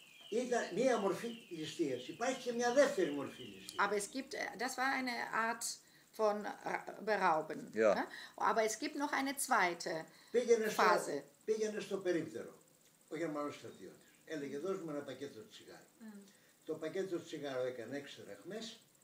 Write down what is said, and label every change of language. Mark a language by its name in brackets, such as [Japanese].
[Greek] Ήταν μία μορφή ληστείας. Υπάρχει και μία δεύτερη μορφή ληστείας. [German] Aber es gibt, das war eine Art von Berauben. Ja. Aber es gibt noch eine zweite Phase. [Greek] Πήγαινε στο περίπτερο, ο Γερμανός στρατιώτης. Έλεγε, δώσ' μου ένα πακέτο τσιγάρο. Το πακέτο τσιγάρο έκανε 6 δραχμές.